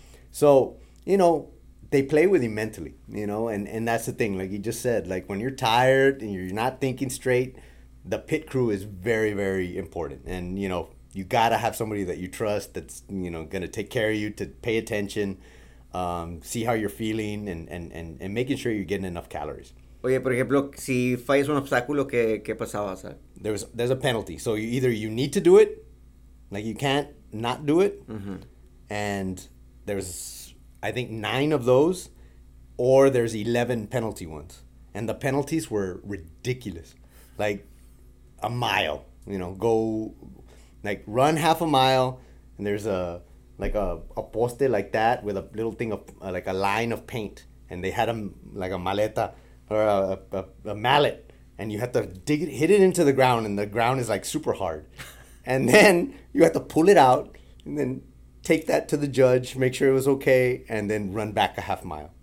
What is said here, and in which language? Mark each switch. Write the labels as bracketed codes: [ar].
[en] So, you know, they play with you mentally, you know, and that's the thing, like you just said, like, when you're tired and you're not thinking straight, the pit crew is very, very important. And, you know, you got to have somebody that you trust that's, you know, going to take care of you, to pay attention, see how you're feeling, and making sure you're getting enough calories. [es] Oye, por ejemplo, si fallas un obstáculo, ¿qué pasaba? [en] There's a penalty. So you, either you need to do it, like you can't not do it, mm-hmm. and there's, I think, 9 of those, or there's 11 penalty ones. And the penalties were ridiculous. Like, a mile, you know, go, like, run half a mile, and there's a poste like that with a little thing of, like, a line of paint, and they had a, like, a maleta, or a mallet, and you have to dig it, hit it into the ground, and the ground is, like, super hard, and then you have to pull it out, and then take that to the judge, make sure it was okay, and then run back a half mile.